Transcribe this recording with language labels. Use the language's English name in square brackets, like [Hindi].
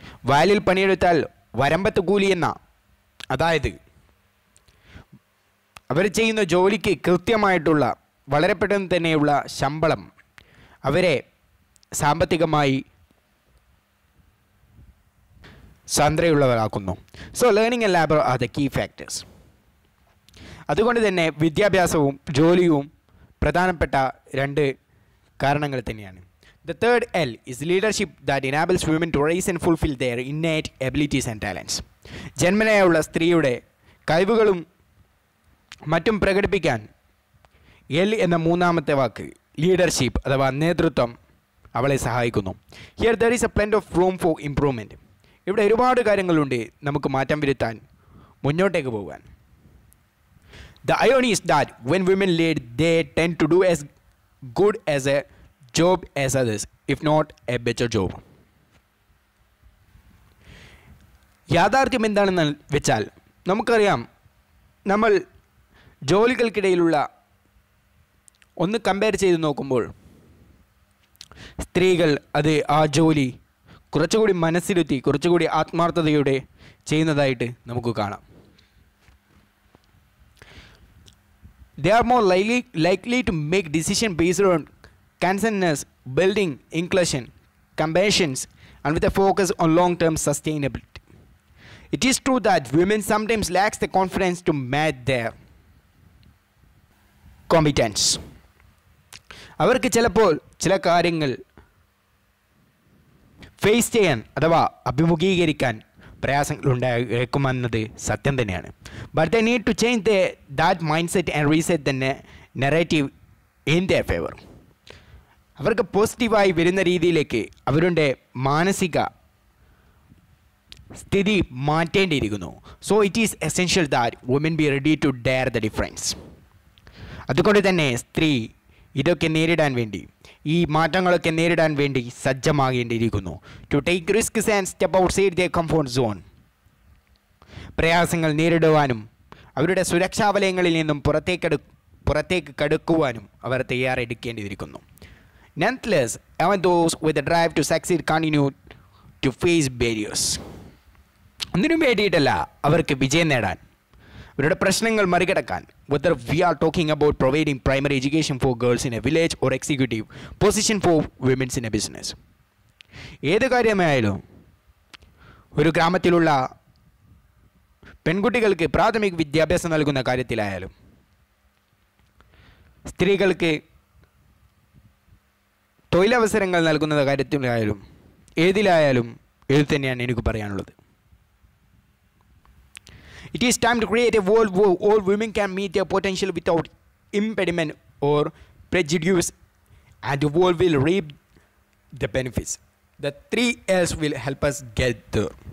[Malayalam] വയലിൽ പണിയെടുത്താൽ വരമ്പത്ത് കൂലി എന്ന, അതായത് അവർ ചെയ്യുന്ന ജോലിക്ക് കൃത്യമായിട്ടുള്ള വളരെ പെട്ടെന്ന് തന്നെയുള്ള ശമ്പളം അവരെ സാമ്പത്തികമായി സ്വതന്ത്രയുള്ളവരാക്കുന്നു. [English] So learning and labour are the key factors. [Malayalam] അതുകൊണ്ട് തന്നെ വിദ്യാഭ്യാസവും ജോലിയും പ്രധാനപ്പെട്ട രണ്ട് കാരണങ്ങൾ തന്നെയാണ്. [English] The third L is leadership that enables women to raise and fulfill their innate abilities and talents. [Malayalam] ജന്മനയുള്ള സ്ത്രീയുടെ കഴിവുകളും മറ്റും പ്രകടിപ്പിക്കാൻ എൽ എന്ന മൂന്നാമത്തെ വാക്ക്, ലീഡർഷിപ്പ് അഥവാ നേതൃത്വം, അവളെ സഹായിക്കുന്നു. [English] Here there is a plenty of room for improvement. [Malayalam] ഇവിടെ ഒരുപാട് കാര്യങ്ങളുണ്ട് നമുക്ക് മാറ്റം വരുത്താൻ, മുന്നോട്ടേക്ക് പോകാൻ. [English] The The irony is that when women lead, they tend to do as good as a job as others, if not a better job. [Malayalam] യാഥാർത്ഥ്യം എന്താണെന്ന് വെച്ചാൽ നമുക്കറിയാം നമ്മൾ ജോലികൾക്കിടയിലുള്ള ഒന്ന് കമ്പയർ ചെയ്ത് നോക്കുമ്പോൾ സ്ത്രീകൾ അത് ആ ജോലി കുറച്ചുകൂടി മനസ്സിലുത്തി കുറച്ചുകൂടി ആത്മാർത്ഥതയോടെ ചെയ്യുന്നതായിട്ട് നമുക്ക് കാണാം. [English] They are more likely to make decision based on consensus, building, inclusion, compassions, and with a focus on long-term sustainability. It is true that women sometimes lack the confidence to match their competence. [Malayalam] അവർക്ക് ചിലപ്പോൾ ചില കാര്യങ്ങൾ face ചെയ്യാൻ അഥവാ അഭിമുഖീകരിക്കാൻ പ്രയാസങ്ങൾ ഉണ്ടായേക്കുമെന്നത് സത്യം തന്നെയാണ്. [English] But they need to change they that mind set and reset the narrative in the favour. [Malayalam] അവർക്ക് പോസിറ്റീവായി വരുന്ന രീതിയിലേക്ക് അവരുടെ മാനസിക സ്ഥിതി മാറ്റേണ്ടിയിരിക്കുന്നു. [English] So it is essential that woman be ready to dare the difference. [Malayalam] അതുകൊണ്ട് തന്നെ സ്ത്രീ ഇതൊക്കെ നേരിടാൻ വേണ്ടി ഈ മാറ്റങ്ങളൊക്കെ നേരിടാൻ വേണ്ടി സജ്ജമാകേണ്ടിയിരിക്കുന്നു. [English] To take risks and step outside the comfort zone. [Malayalam] പ്രയാസങ്ങൾ നേരിടുവാനും അവരുടെ സുരക്ഷാ വലയങ്ങളിൽ നിന്നും പുറത്തേക്ക് കടക്കുവാനും അവർ തയ്യാറെടുക്കേണ്ടിയിരിക്കുന്നു. [English] Nonetheless, even those with a drive to succeed continue to face barriers. [Malayalam] ഒന്നിനും വേണ്ടിയിട്ടല്ല അവർക്ക് വിജയം നേടാൻ, അവരുടെ പ്രശ്നങ്ങൾ മറികടക്കാൻ. [English] Whether we are talking about providing primary education for girls in a village or executive position for women in a business. [Malayalam] ഏത് കാര്യമായാലും ഒരു ഗ്രാമത്തിലുള്ള പെൺകുട്ടികൾക്ക് പ്രാഥമിക വിദ്യാഭ്യാസം നൽകുന്ന കാര്യത്തിലായാലും സ്ത്രീകൾക്ക് തൊഴിലവസരങ്ങൾ നൽകുന്ന കാര്യത്തിലായാലും ഏതിലായാലും ഇത് തന്നെയാണ് എനിക്ക് പറയാനുള്ളത്. [English] It is time to create a world where all women can meet their potential without impediment or prejudice, and the world will reap the benefits. The three L's will help us get there.